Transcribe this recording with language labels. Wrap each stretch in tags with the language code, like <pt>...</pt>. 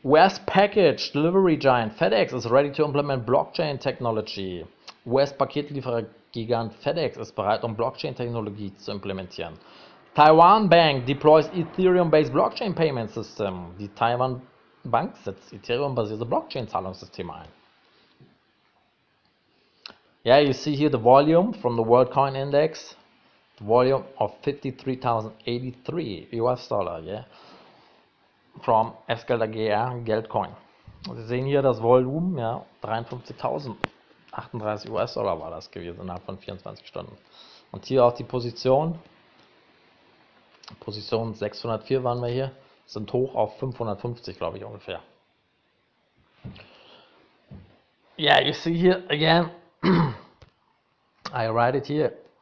<en>US Package Delivery Giant FedEx is ready to implement Blockchain Technology.</en> <de>US-Paketlieferer Gigant FedEx ist bereit, um Blockchain-Technologie zu implementieren.</de> <en>Taiwan Bank deploys Ethereum-based Blockchain Payment System.</en> <de>Die Taiwan Bank setzt Ethereum-basierte Blockchain-Zahlungssysteme ein.</de> <en>Yeah, you see here the volume from the World Coin Index. The volume of 53.083 US Dollar, yeah. From Escalda GR Geldcoin.</en> <de>Sie sehen hier das Volumen, ja, 53.038 US Dollar war das gewesen innerhalb von 24 Stunden. Und hier auch die Position. Position 604 waren wir hier, sind hoch auf 550, glaube ich, ungefähr.</de> <en>Yeah, you see here again, I write it here.</en>